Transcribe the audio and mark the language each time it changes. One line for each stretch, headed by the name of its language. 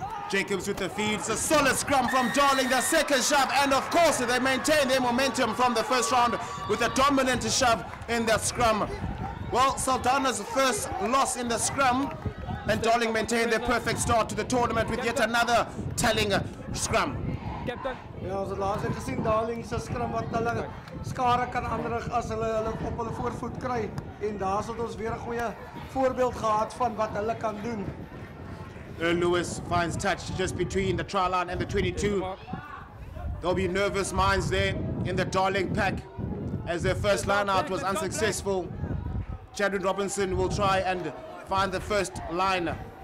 English: Jacobs with the feed, it's a solid scrum from Darling, the second shove, and of course they maintain their momentum from the first round with a dominant shove in that scrum. Well, Saldanha's first loss in the scrum, and Darling maintain their perfect start to the tournament with yet another telling scrum. Captain.
Afrikaans: Ja, ons het laatst gesien Darling se scrum wat hulle skare kan aanrig as hulle hulle op hulle voorvoet kry en daar het ons weer 'n goeie voorbeeld gehad van wat hulle kan doen.
English: Lewis finds touch just between the try line and the 22. There'll be nervous minds there in the Darling pack as their first line out was unsuccessful. Chadwin Robinson will try and find the first line.